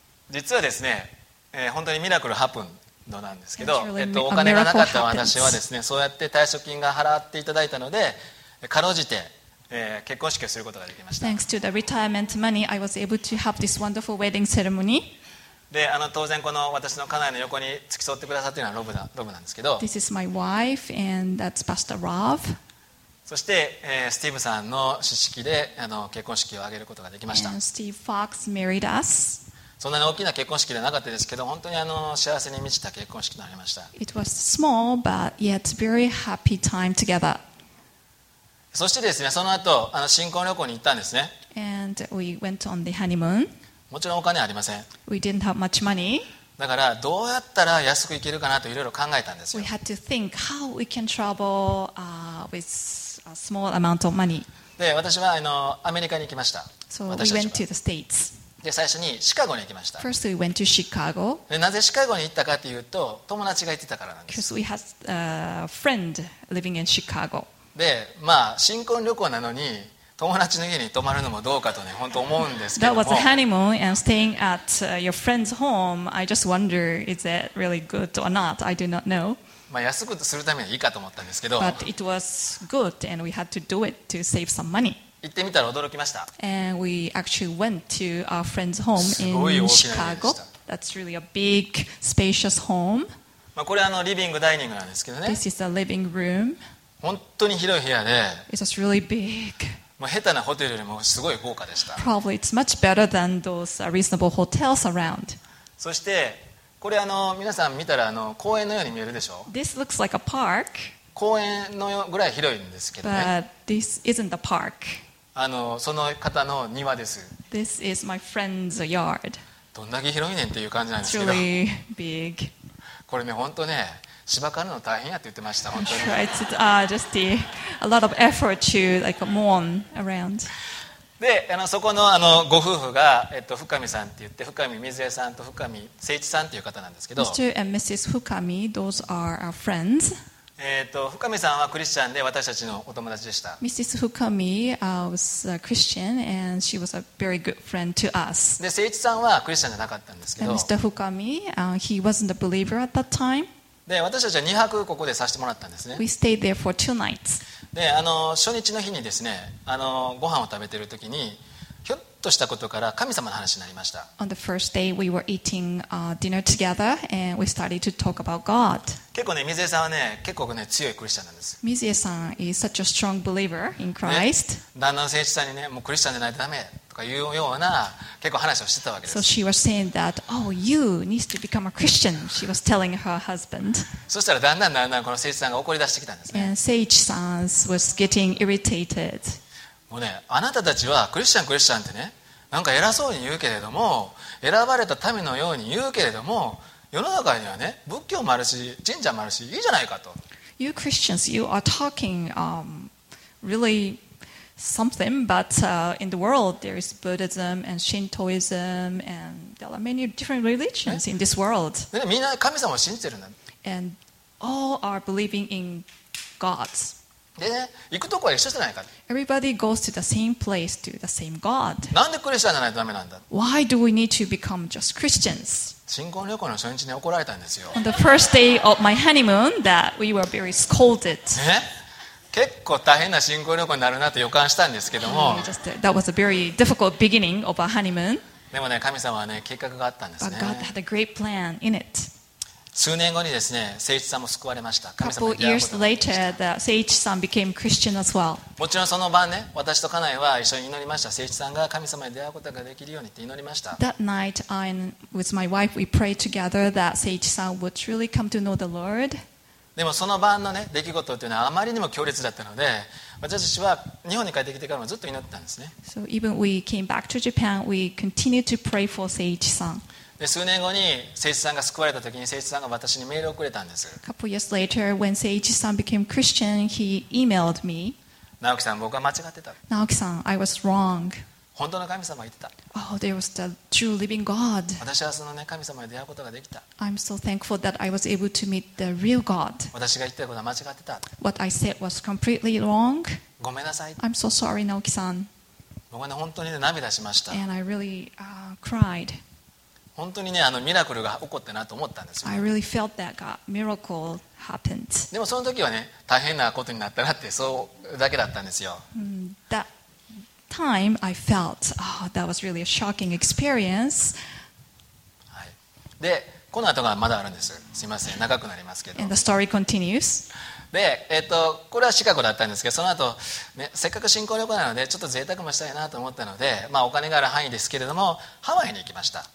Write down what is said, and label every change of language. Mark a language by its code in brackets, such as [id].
[ja] 実はですね、本当に [en] ミラクルハプンド [ja] なんですけど、お金がなかった私はですね、そうやって退職金が払っていただいたので、かろうじて、結婚式をすることができました。 [en] Thanks to the retirement money, I was able to have this wonderful wedding ceremony. [ja] で、当然この私の家内の横に付き添ってくださっているのはロブなんですけど。 [en] This is my wife and that's Pastor Rob. [ja] そして、スティーブさんの指式で結婚式を挙げることができました。 [en] And Steve Fox married us. [ja] そんなに大きな結婚式ではなかったですけど、本当に幸せに満ちた結婚式となりました。 [en] It was small but yet very happy time together. [ja] そしてですね、その後新婚旅行に行ったんですね。 [en] And we went on the honeymoon. [ja] もちろんお金はありません。 [en] We didn't have much money. [ja] だからどうやったら安く行けるかなといろいろ考えたんですよ。 [en] We had to think how we can travel, with a small amount of money. [ja] で、私はアメリカに行きました。 [en] So we went to the States. [ja] で、最初にシカゴに行きました。 [en] First we went to Chicago. [ja] で、なぜシカゴに行ったかというと、友達が行ってたからなんです。 [en] Because we had a friend living in Chicago. [ja] で、新婚旅行なのに友達の家に泊まるのもどうかとね、本当思うんですけども。 [en] That was a honeymoon and staying at your friend's home. I just wonder, is it really good or not? I do not know. [ja] 安くするためにはいいかと思ったんですけど。 [en] But it was good and we had to do it to save some money. [ja] 行ってみたら驚きました。 [en] And we actually went to our friend's home in Chicago. That's really a big, spacious home. [ja] これはリビングダイニングなんですけどね。 [en] This is a living room. [ja] 本当に広い部屋で、 [en] It was really big. [ja] 下手なホテルよりもすごい豪華でした。 [en] Probably it's much better than those reasonable hotels around. [ja] そして、これ皆さん見たら公園のように見えるでしょ。 [en] This looks like a park. [ja] 公園のぐらい広いんですけどね。 [en] But this isn't a park. [ja] その方の庭です。 [en] This is my friend's yard. [ja] どんだけ広いねんっていう感じなんですけど。 [en] It's really big. [ja] これね、本当ね。芝刈るの大変やって言ってました本当に。 [en] Right, just a lot of effort to like mourn around. [ja] で、そこのご夫婦が深見さんって言って、深見水江さんと深見誠一さんっていう方なんですけど。 [en] Mr. and Mrs. Fukami, those are our friends. [ja] 深見さんはクリスチャンで私たちのお友達でした。 [en] Mrs. Fukami was a Christian and she was a very good friend to us. [ja] で、誠一さんはクリスチャンじゃなかったんですけど。 [en] And Mr. Fukami, he wasn't a believer at that time. [ja] で、私たちは2泊ここでさせてもらったんですね。 [en] We stayed there for two nights. [ja] で、初日の日にですね、ご飯を食べているときにひょっとしたことから神様の話になりました。 [en] On the first day we were eating dinner together and we started to talk about God. [ja] 結構ね、水江さんはね、結構ね、強いクリスチャンなんです。 [en] 水江さん is such a strong believer in Christ.、 [ja] ね、旦那の誠一さんにね、もうクリスチャンじゃないとダメとかいうような結構話をしてたわけです。 [en] So she was saying that, oh, you need to become a Christian, she was telling her husband. [ja] そしたらだんだんこの誠一さんが怒り出してきたんですね。 [en] And 誠一さん was getting irritated. [ja] もうね、あなたたちはクリスチャンってね、なんか偉そうに言うけれども、選ばれた民のように言うけれども、世の中にはね、仏教もあるし神社もあるしいいじゃないかと。 [en] You Christians, you are talking really something, but in the world there is Buddhism and Shintoism and there are many different religions in this world. [ja] で、みんな神様を信じてるんだ。 [en] And all are believing in gods. [ja] でね、行くとこは一緒じゃないか。 [en] Everybody goes to the same place to the same God. [ja] なんでクリスチャンじゃないとダメなんだ。 [en] Why do we need to become just Christians? [ja] 新婚旅行の初日に怒られたんですよ。 [en] On the first day of my honeymoon, that we were very scolded. [ja] ね、結構大変な新婚旅行になるなと予感したんですけども。 [en] That was a very difficult beginning of our honeymoon. [ja] でもね、神様はね、計画があったんですね。 [en] But God had a great plan in it. [ja] 数年後にですね、誠一さんも救われました。神様に出会うことができました。 [en] as well. [ja] もちろんその晩ね、私と家内は一緒に祈りました。誠一さんが神様に出会うことができるようにって祈りました。 [en] That night, I and with my wife, we prayed together that 誠一さん would truly come to know the Lord. [ja] でもその晩のね、出来事っていうのはあまりにも強烈だったので、私たちは日本に帰ってきてからもずっと祈ってたんですね。 [en] So even we came back to Japan, we continued to pray for 誠一さん。 [ja] で、数年後に誠一さんが救われたときに、誠一さんが私にメールをくれたんです。 [en] Couple years later, when 誠一さん became Christian, he emailed me. [ja] 直樹さん、僕は間違ってた。 [en] Naoki さん、I was wrong. [ja] 本当の神様がいてた。 [en] Oh, there was the true living God. [ja] 私はその、ね、神様に出会うことができた。 [en] I'm so thankful that I was able to meet the real God. [ja] 私が言ってたことは間違ってた。 [en] What I said was completely wrong. [ja] ごめんなさい。 [en] I'm so sorry, Naoki さん。 [ja] 僕は、ね、本当に、ね、涙しました。 [en] And I really, cried. [ja] 本当にね、ミラクルが起こったなと思ったんですよ。 [en] I really felt that a miracle happened. [ja] でもその時はね、大変なことになったなって、そうだけだったんですよ。 [en] That time I felt, oh, that was really a shocking experience. [ja] はい。で、この後がまだあるんです。すみません、長くなりますけど。 [en] And the story continues. [ja] で、これはシカゴだったんですけど、その後、ね、せっかく新婚旅行なので、ちょっと贅沢もしたいなと思ったので、まあ、お金がある範囲ですけれども、ハワイに行きました。